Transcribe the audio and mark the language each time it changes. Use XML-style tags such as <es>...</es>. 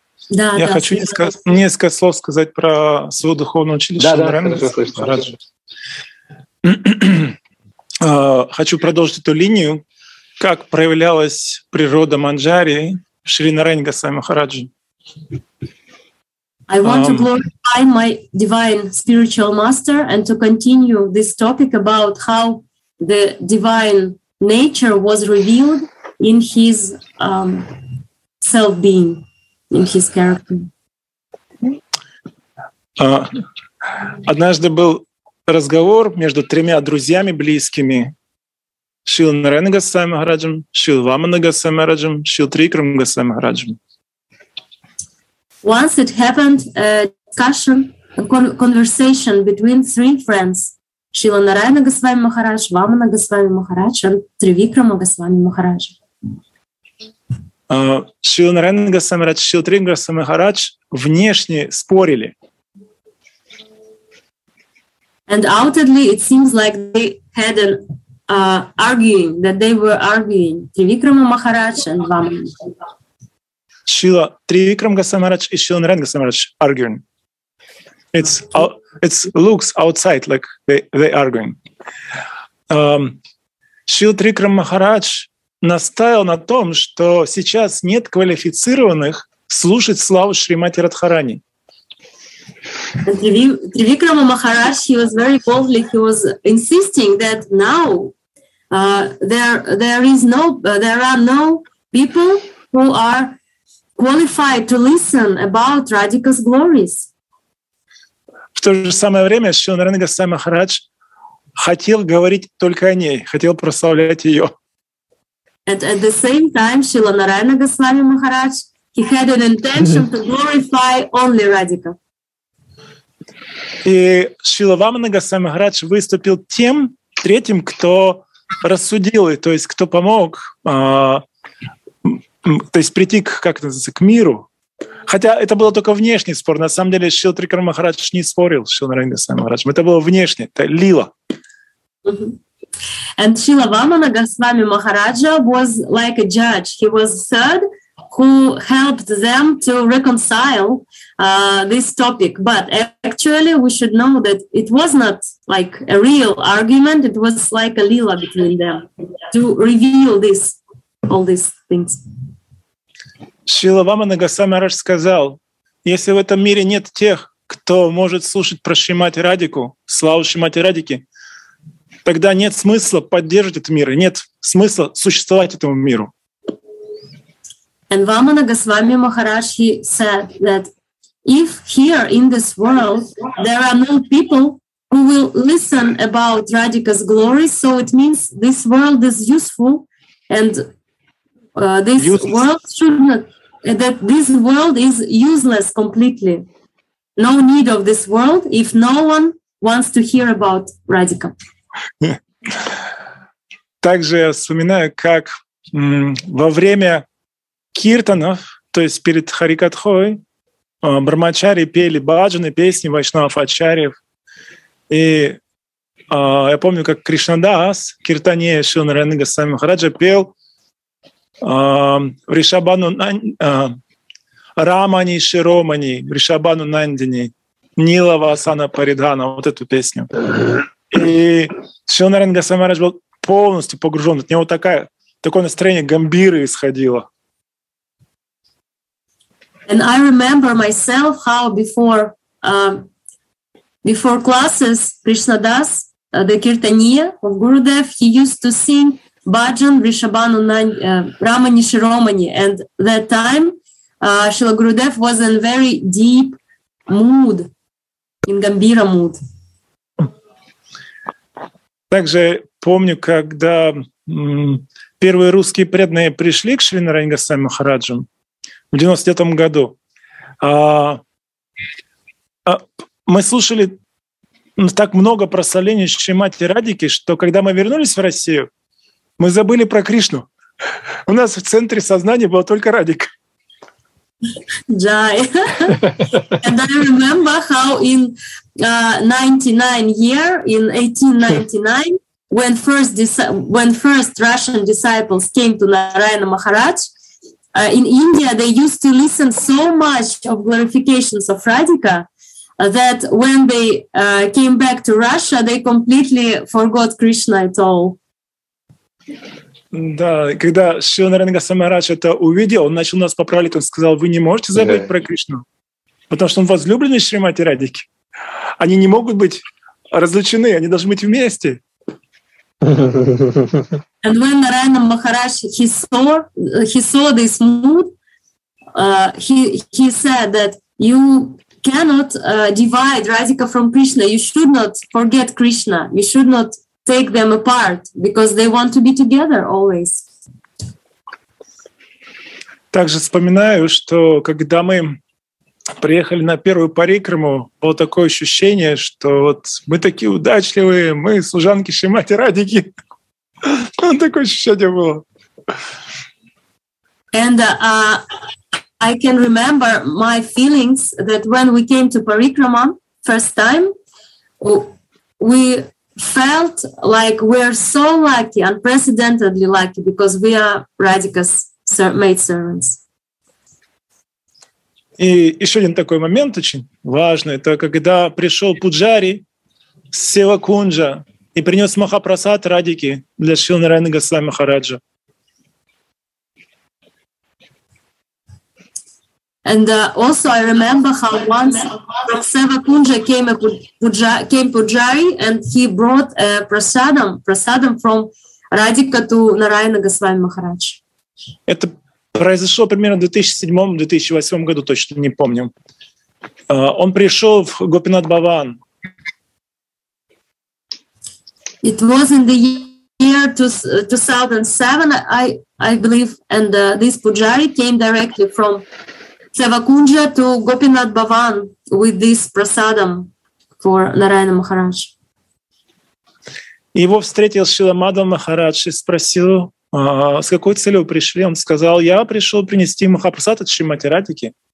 <ru>Я хочу несколько слов сказать про свою духовную училище. Да, хорошо слышно. Хочу продолжить эту линию, как проявлялась природа Манджари Шри Нарайан Госвами Махараджи.</ru> <en>I want to glorify my divine spiritual master and to continue this topic about how the divine nature was revealed in his self-being, in his character.</en> <ru>Однажды был разговор между тремя друзьями близкими Шрила Нараяна Госвами Махараджем, Шрила Вамана Госвами Махараджем, Шрила Трикрама Госвами Махараджем.</ru> <en>Once it happened a discussion, a conversation between three friends, Шрила Нараяна Госвами Махарадж, Вамана Госвами Махарадж и Тривикрама Госвами Махарадж.</en> <ru>Шрила Нараяна Госвами Махарадж, Шрила Трикрама Госвами Махарадж внешне спорили.</ru> <en>And outwardly, it seems like they had an arguing, that they were arguing, Тривикрама Махарадж and Вамана.</en> <ru>Шрила Тривикрама Госвами Махарадж и Шрила Нараяна Госвами Махарадж</ru> <en>arguing. It looks outside like they arguing.</en> <ru>Шрила Тривикрама Махарадж настаивал на том, что сейчас нет квалифицированных слушать славу Шримати Радхарани.</ru> <en>Тривикрама Махарадж, he was very boldly, he was insisting that now there are no people who are qualified to listen about Radhika's glories.</en> <ru>В то же самое время Шрила Нараяна Госвами Махарадж хотел говорить только о ней, хотел прославлять ее.</ru> <en>And at the same time, Шрила Нараяна Госвами Махарадж, he had an intention to glorify only Radhika.</en> <ru>И Шрила Вамана Госвами Махарадж выступил тем третьим, кто рассудил, то есть кто помог, то есть прийти к миру. Хотя это был только внешний спор. На самом деле Шрила Трикрама Махарадж не спорил с Шрила Нараяна Госвами Махараджем. Это было внешнее, это лила.</ru> <en>And Шрила Вамана Госвами Махараджа was like a judge. He was third who helped them to reconcile this topic. But actually, we should know that it was not like a real argument, it was like a lila between them to reveal this, all these things.</en> <ru>Шрила Вамана Госвами Махарадж сказал, если в этом мире нет тех, кто может слушать про Шримати Радику, славу Шримати Радики, тогда нет смысла поддерживать этот мир, нет смысла существовать этому миру.</ru> <en>And Vamana Goswami Maharaj, he said that if here in this world there are no people who will listen about Radhika's glory. So it means this world is useful, and this useless. World should not, that this world is useless completely. No need of this world if no one wants to hear about Radhika.</en> <ru>Также я вспоминаю, как во время киртанов, то есть перед харикатхой, брахмачари пели баджаны, песни вайшнав ачарьев. И я помню, как Кришнадас, киртанея Шрила Нараяна Госвами Махараджа, пел Вришабану Рамани Широмани, Вришабану Нандини, Нилава Асана Паридхана, вот эту песню. И Шрила Нараяна Госвами Махарадж был полностью погружен. От него такое настроение гамбиры исходило.</ru> <en>And I remember myself how before classes, Krishnadas, the Kirtaniya of Gurudev, he used to sing Bhajan Vrishabhanu Ramani Shiromani. And that time Srila Gurudev was in very deep mood, in Gambira mood.</en> <ru>Также помню, когда первые русские преданные пришли к Шри Нараяна Госвами Махараджу в 99 году. Мы слушали так много про соленья Шримати Радики, что когда мы вернулись в Россию, мы забыли про Кришну. У нас в центре сознания была только Радика.</ru> <hi>Jai.</hi> <en>And I remember how in 1899, when first Russian disciples came to Narayana Maharaj, in India they used to listen so much of glorifications of Radhika that when they came back to Russia, they completely forgot Krishna at all.</en> <ru>Да, когда Шрила Нараяна Госвами Махарадж это увидел, он начал нас поправлять, он сказал, вы не можете забыть про Кришну, потому что он возлюбленный Шримати Радики. Они не могут быть разлучены, они должны быть вместе.</ru> <en>And when Narayana Maharaj, he saw this mood, he said that you cannot divide Radhika from Krishna, you should not forget Krishna, you should not take them apart, because they want to be together always.</en> <ru>Также вспоминаю, что когда мы приехали на первую парикраму, было такое ощущение, что вот мы такие удачливые, мы служанки Шримати Радики. Такое ощущение было.</ru> <en>And I can remember my feelings that when we came to Parikrama first time, we felt like we're so lucky, unprecedentedly lucky, because we are Radhika's maidservants.</en> <ru>И еще один такой момент очень важный, это когда пришел Пуджари с Севакунджа и принес Махапрасад Радики для Шрила Нараяны Госвами Махараджа.</ru> <en>And also I remember how once from Sevakunja came Pujari and he brought prasadam from Radhika to Narayana Goswami Maharaj.</en> <ru>Это произошло примерно в 2007-2008 году, точно не помню. Он пришел в Гопинат Баван.</ru> <en>It was in the year 2007, I believe, and this Pujari came directly from Sevakunja to Gopinath Bhavan with this prasadam for Narayana Maharaj.</en> <ru>Его встретил Шрила Мадхава Махарадж и спросил, с какой целью вы пришли. Он сказал, я пришел принести Махапрасад от Шримати Радики.</ru>